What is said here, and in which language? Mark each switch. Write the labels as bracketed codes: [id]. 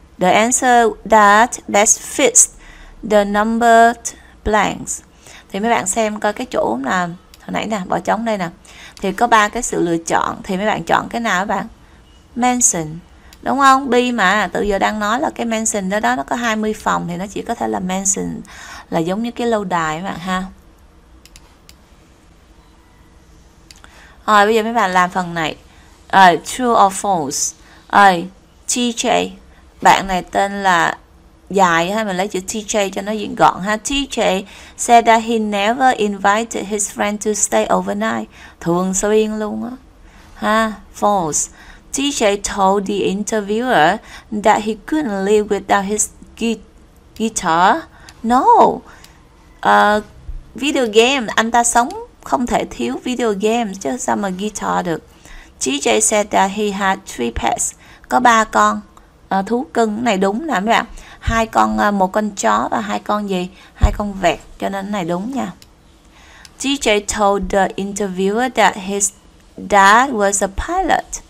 [en] The answer that best fits the numbered blanks. [vi] Thì mấy bạn xem coi cái chỗ là hồi nãy nè, bỏ trống đây nè. Thì có ba cái sự lựa chọn, thì mấy bạn chọn cái nào các bạn? Mansion. Đúng không? B mà từ giờ đang nói là cái mansion đó nó có 20 phòng thì nó chỉ có thể là mansion, là giống như cái lâu đài các bạn ha. Rồi bây giờ mấy bạn làm phần này. [en] True or false. [vi] TJ. Bạn này tên là dài ha, mình lấy chữ TJ cho nó diện gọn ha. [en] TJ said that he never invited his friend to stay overnight. [vi] Thường xuyên luôn á ha. [en] False. TJ told the interviewer that he couldn't live without his guitar. No. [vi] Video game, anh ta sống không thể thiếu video game chứ sao mà guitar được. [en] TJ said that he had three pets. [vi] Có ba con thú cưng. Này đúng nè mấy bạn. Hai con, một con chó và hai con gì? Hai con vẹt. Cho nên này đúng nha. [en] TJ told the interviewer that his dad was a pilot.